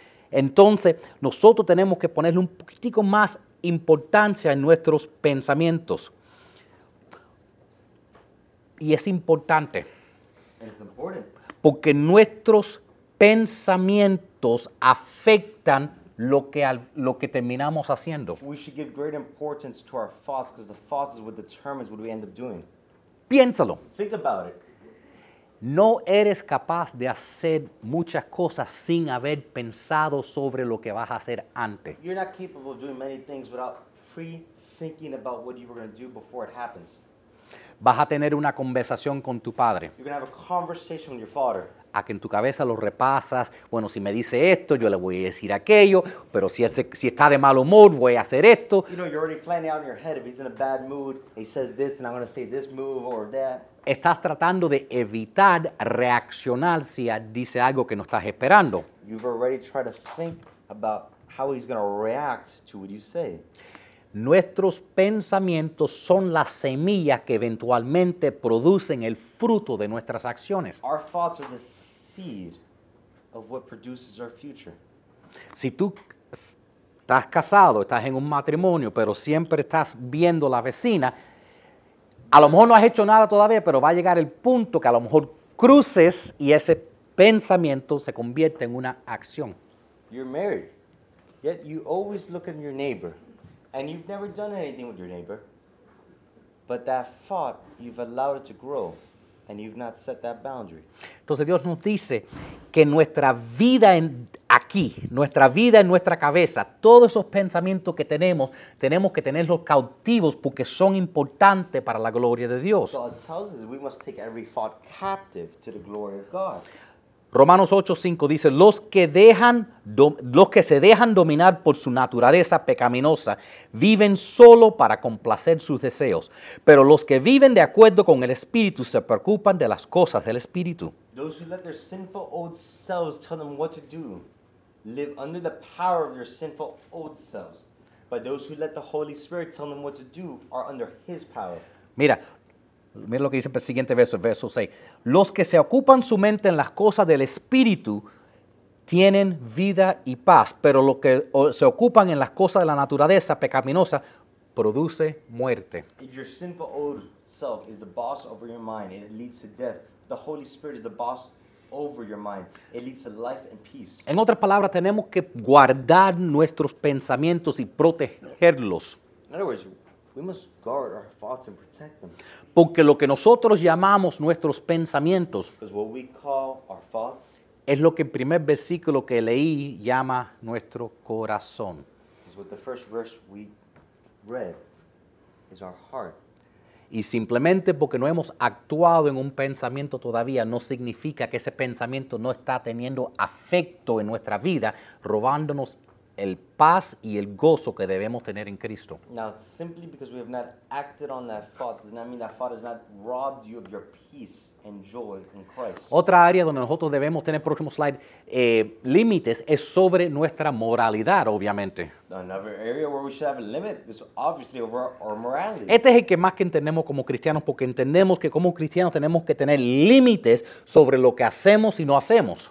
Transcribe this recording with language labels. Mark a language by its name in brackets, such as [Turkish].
[Spanish] Entonces, nosotros tenemos que ponerle un poquitico más importancia en nuestros pensamientos. Y es importante. [English] It's important. [Spanish] Porque nuestros pensamientos afectan lo que terminamos haciendo. [English] We should give great importance to our thoughts, because the thoughts is what determines what we end up doing. [Spanish] Piénsalo. [English] Think about it. [Spanish] No eres capaz de hacer muchas cosas sin haber pensado sobre lo que vas a hacer antes. [English] You're not capable of doing many things without pre-thinking about what you were going to do before it happens. [Spanish] Vas a tener una conversación con tu padre. [English] You're going to have a conversation with your father. [Spanish] A que en tu cabeza lo repasas. Bueno, si me dice esto, yo le voy a decir aquello. Pero si está de mal humor, voy a hacer esto. [English] You know, you're already planning out in your head. If he's in a bad mood, he says this, and I'm going to say this move or that. [Spanish] Estás tratando de evitar reaccionar si dice algo que no estás esperando. [English] You've already tried to think about how he's going to react to what you say. [Spanish] Nuestros pensamientos son las semillas que eventualmente producen el fruto de nuestras acciones. [English] Our thoughts are the seed of what produces our future. [Spanish] Si tú estás casado, estás en un matrimonio, pero siempre estás viendo la vecina, a lo mejor no has hecho nada todavía, pero va a llegar el punto que a lo mejor cruces y ese pensamiento se convierte en una acción. [English] You're married, yet you always look at your neighbor. And you've never done anything with your neighbor, but that thought, you've allowed it to grow, and you've not set that boundary. [Spanish] Entonces Dios nos dice que nuestra vida en aquí, nuestra vida en nuestra cabeza, todos esos pensamientos que tenemos, tenemos que tenerlos cautivos porque son importantes para la gloria de Dios. [English] God tells us we must take every thought captive to the glory of God. [Spanish] Romanos 8:5 dice, los que se dejan dominar por su naturaleza pecaminosa viven solo para complacer sus deseos, pero los que viven de acuerdo con el Espíritu se preocupan de las cosas del Espíritu. [English] Those who let their sinful old selves tell them what to do live under the power of their sinful old selves, but those who let the Holy Spirit tell them what to do are under His power. [Spanish] Mira lo que dice el siguiente verso, el verso 6. Los que se ocupan su mente en las cosas del Espíritu tienen vida y paz, pero los que se ocupan en las cosas de la naturaleza pecaminosa produce muerte. [English] If your sinful old self is the boss over your mind, it leads to death. The Holy Spirit is the boss over your mind. It leads to life and peace. [Spanish] En otras palabras, tenemos que guardar nuestros pensamientos y protegerlos. [English] In other words, we must guard our thoughts and protect them. [Spanish] Porque lo que nosotros llamamos nuestros pensamientos, [English] because what we call our thoughts, [Spanish] es lo que el primer versículo que leí llama nuestro corazón. [English] Is what the first verse we read is our heart. [Spanish] Y simplemente porque no hemos actuado en un pensamiento todavía, no significa que ese pensamiento no está teniendo afecto en nuestra vida, robándonos el paz y el gozo que debemos tener en Cristo. [English] Now, simply because we have not acted on that thought, does not mean that thought has not robbed you of your peace and joy in Christ. [Spanish] Otra área donde nosotros debemos tener, próximo slide, límites, es sobre nuestra moralidad, obviamente. [English] Another area where we should have a limit is obviously over our morality. [Spanish] Este es el que más que entendemos como cristianos, porque entendemos que como cristianos tenemos que tener límites sobre lo que hacemos y no hacemos.